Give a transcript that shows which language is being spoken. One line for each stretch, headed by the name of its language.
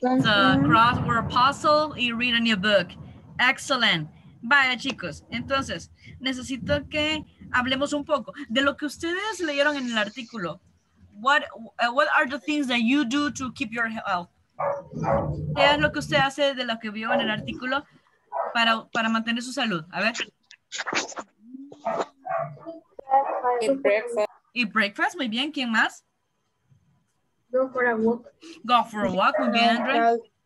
English: The crossword puzzle y read a new book.
Spanish: Excellent. Vaya, chicos. Entonces, necesito que hablemos un poco de lo que ustedes leyeron en el artículo.
English: What are the things that you do to keep your health?
Spanish: ¿Qué es lo que usted hace de lo que vio en el artículo para mantener su salud? A ver.
English: Eat breakfast,
Spanish: muy bien. ¿Quién más?
English: Go for a walk,
Spanish: muy bien, Andre.